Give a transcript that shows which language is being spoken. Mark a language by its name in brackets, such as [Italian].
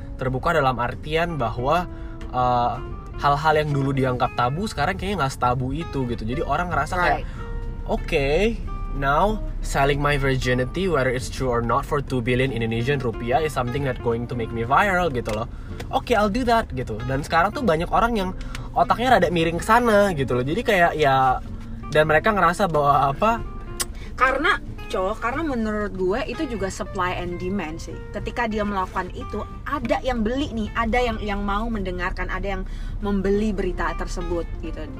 [Indonesian] Terbuka dalam artian bahwa hal-hal yang dulu dianggap tabu sekarang kayaknya nggak setabu itu gitu. Jadi orang ngerasa kayak, [English] okay, now selling my virginity, whether it's true or not, for 2 billion Indonesian rupiah is something that going to make me viral [Indonesian] gitu loh. [English] Okay, I'll do that [Indonesian] gitu. Dan sekarang tuh banyak orang yang otaknya rada miring ke sana gitu loh. Jadi kayak ya, dan mereka ngerasa bahwa apa? Karena menurut gue itu juga [English] supply and demand [Indonesian] sih. Ketika dia melakukan itu, ada yang beli nih, ada yang mau mendengarkan, ada yang membeli berita tersebut gitu.